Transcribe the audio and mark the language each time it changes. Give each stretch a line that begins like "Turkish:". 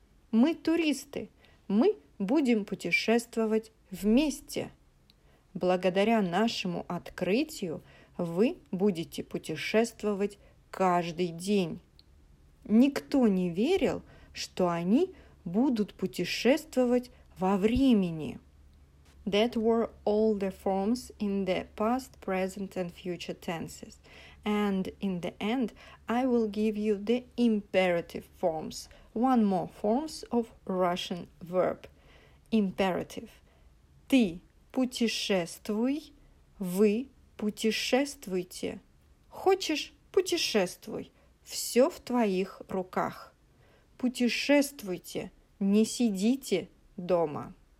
Russian: Мы туристы, мы будем путешествовать вместе. Благодаря нашему открытию вы будете путешествовать каждый день. Никто не верил, что они будут путешествовать во времени.
English: That were all the forms in the past, present and future tenses. And in the end, I will give you the imperative forms. One more forms of Russian verb. Imperative.
Russian: Ты путешествуй, вы путешествуйте. Хочешь, путешествуй. Все в твоих руках. Путешествуйте, не сидите дома.